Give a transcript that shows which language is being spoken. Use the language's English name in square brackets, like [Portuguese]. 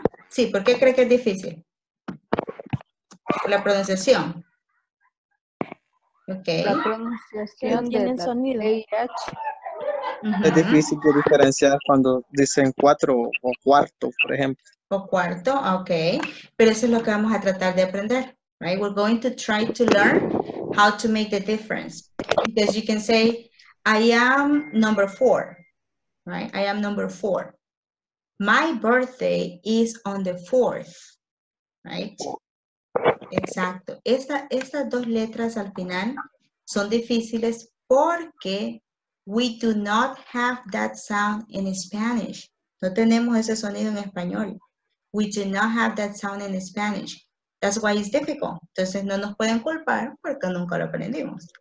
[Spanish] Sí, ¿por qué cree que es difícil? La pronunciación. Ok. La pronunciación tiene el sonido. Es difícil de diferenciar cuando dicen cuatro o cuarto, por ejemplo. O cuarto, ok. Pero eso es lo que vamos a tratar de aprender. [English] Right? We're going to try to learn how to make the difference. Because you can say, I am number four. Right, I am number four. My birthday is on the fourth. Right? [Spanish] Exacto. Estas dos letras al final son difíciles porque [English] we do not have that sound in Spanish. [Spanish] No tenemos ese sonido en español. [English] We do not have that sound in Spanish. That's why it's difficult. [Spanish] Entonces no nos pueden culpar porque nunca lo aprendimos.